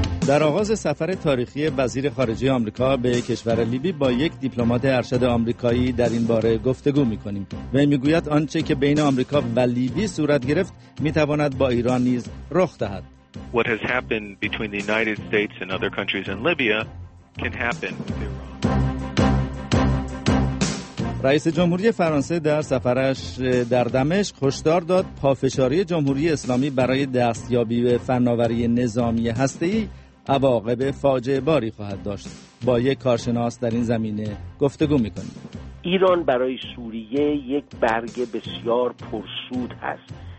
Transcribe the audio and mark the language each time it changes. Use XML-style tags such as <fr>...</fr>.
<fa>در آغاز سفر تاریخی وزیر خارجه آمریکا به کشور لیبی با یک دیپلمات ارشد آمریکایی در این باره گفتگو می‌کنیم. وی می‌گوید آنچه که بین آمریکا و لیبی صورت گرفت می‌تواند با ایران نیز رخ دهد.</fa> <en>What has happened between the United States and other countries in Libya can happen with Iran.</en> <fa>رئیس جمهوری فرانسه در سفرش در دمشق هشدار داد پافشاری جمهوری اسلامی برای دستیابی به فناوری نظامی هسته‌ای عواقب فاجعه باری خواهد داشت. با یک کارشناس در این زمینه گفتگو می‌کنیم. ایران برای سوریه یک برگ بسیار پرسود است.</fa>